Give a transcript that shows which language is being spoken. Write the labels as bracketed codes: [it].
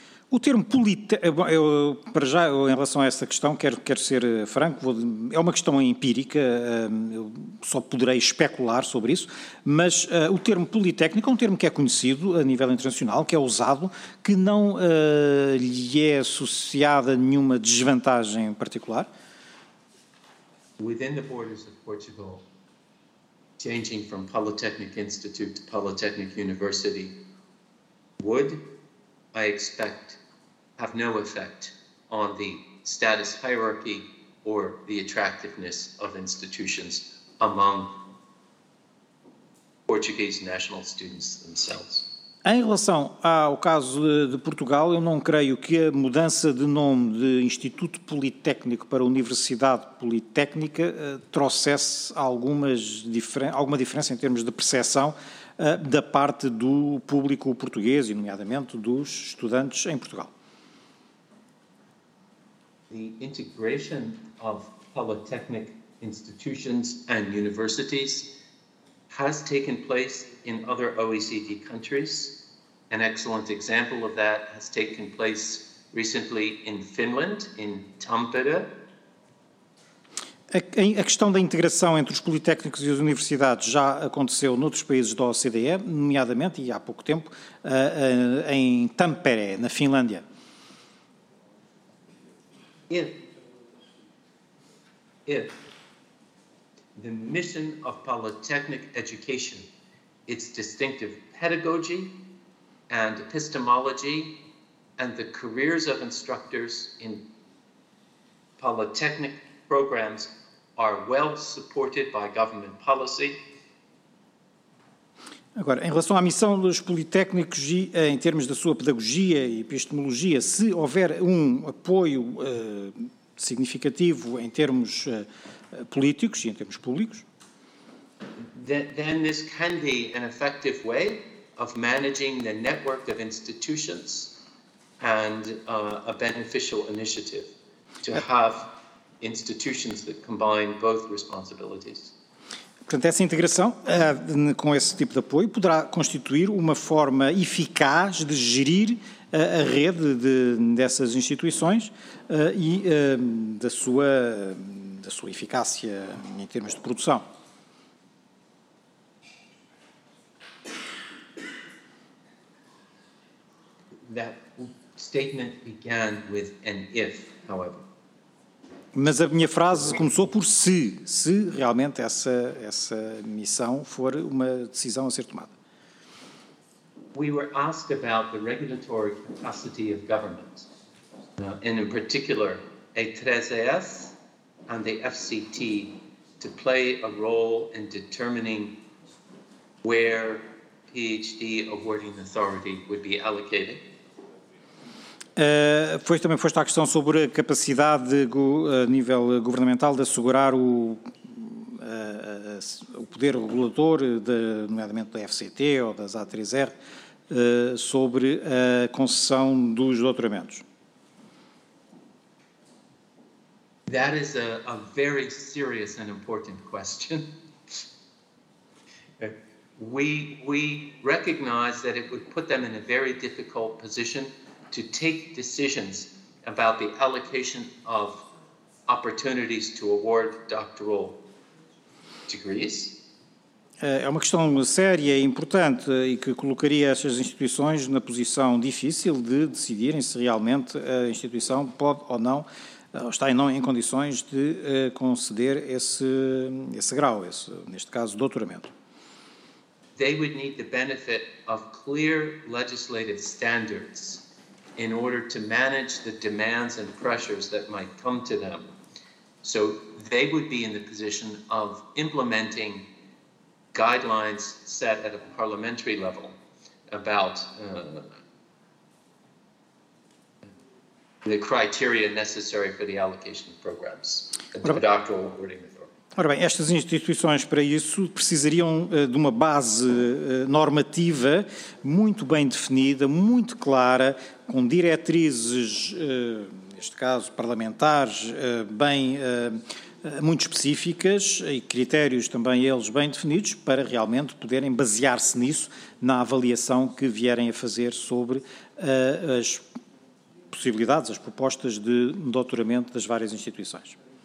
[pt] O termo para já, em relação a essa questão, quero ser franco, é uma questão empírica, eu só poderei especular sobre isso, mas o termo politécnico é um termo que é conhecido a nível internacional, que é usado, que não lhe é associada nenhuma desvantagem particular. [en] Within the borders of Portugal, changing from Polytechnic Institute to Polytechnic University, would, I expect, have no effect on the status hierarchy or the attractiveness of institutions among Portuguese national students themselves. [pt] Em relação ao caso de Portugal, eu não creio que a mudança de nome de Instituto Politécnico para Universidade Politécnica trouxesse alguma diferença em termos de percepção da parte do público português, e nomeadamente dos estudantes em Portugal. [en] The integration of polytechnic institutions and universities has taken place in other OECD countries. An excellent example of that has taken place recently in Finland, in Tampere. [pt] A questão da integração entre os politécnicos e as universidades já aconteceu noutros países da OCDE, nomeadamente, e há pouco tempo, em Tampere, na Finlândia. [en] If the mission of polytechnic education, its distinctive pedagogy and epistemology, and the careers of instructors in polytechnic programs are well supported by government policy. [pt] Agora, em relação à missão dos politécnicos e em termos da sua pedagogia e epistemologia, se houver um apoio significativo em termos políticos e em termos públicos, [en] then this can be an effective way of managing the network of institutions and a beneficial initiative to have institutions that combine both responsibilities. [pt] Portanto, essa integração com esse tipo de apoio poderá constituir uma forma eficaz de gerir a rede dessas instituições e da sua eficácia em termos de produção. [en] That statement began with an if, however. [pt] Mas a minha frase começou por se realmente essa missão for uma decisão a ser tomada. [en] We were asked about the regulatory capacity of government, and in particular, E3ES and the FCT, to play a role in determining where PhD awarding authority would be allocated. [pt] Foste à questão sobre a capacidade a nível governamental de assegurar o poder regulador, nomeadamente da FCT ou das A3R, sobre a concessão dos doutoramentos. [en] That is a very serious and important question. We recognize that it would put them in a very difficult position to take decisions about the allocation of opportunities to award doctoral degrees. [pt] É uma questão séria e importante e que colocaria essas instituições na posição difícil de decidirem se realmente a instituição pode ou não, ou está não em condições de conceder esse grau, neste caso, doutoramento. [en] They would need the benefit of clear legislative standards in order to manage the demands and pressures that might come to them. So they would be in the position of implementing guidelines set at a parliamentary level about the criteria necessary for the allocation of programs, the doctoral awarding authority. [pt] Ora bem, estas instituições para isso precisariam de uma base normativa muito bem definida, muito clara, com diretrizes, neste caso parlamentares, bem muito específicas e critérios também eles bem definidos para realmente poderem basear-se nisso na avaliação que vierem a fazer sobre as possibilidades, as propostas de doutoramento das várias instituições.